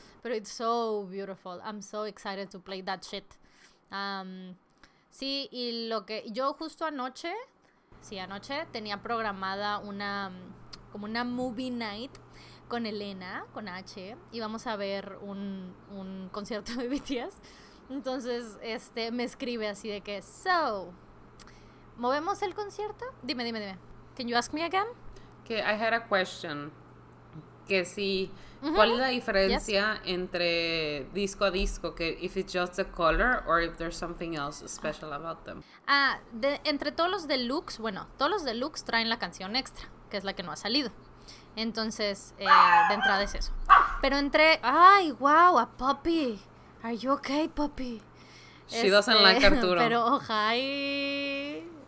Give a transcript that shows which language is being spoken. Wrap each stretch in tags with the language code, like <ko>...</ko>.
<es>Pero</es> <en>it's so beautiful, I'm so excited to play that shit.</en> <es>Sí, y lo que, yo justo anoche, sí, anoche tenía programada una, como una movie night con Elena, con H, y vamos a ver un concierto de BTS. Entonces, me escribe así de que, so... ¿Movemos el concierto? Dime, dime, dime.</es> <en>Can you ask me again?</en> <es>Que</es> <en>I had a question.</en> <es>Que si, ¿cuál es la diferencia entre disco a disco? Que</es> <en>if it's just the color or if there's something else special about them.</en> <es>Ah, de, entre todos los deluxe, bueno, todos los deluxe traen la canción extra, que es la que no ha salido. Entonces, de entrada es eso. Pero entre,</es> <en>ay, wow, a puppy. Are you okay, puppy? She doesn't like Arturo.</en> <es>Pero,</es> <en>oh, hi.</en>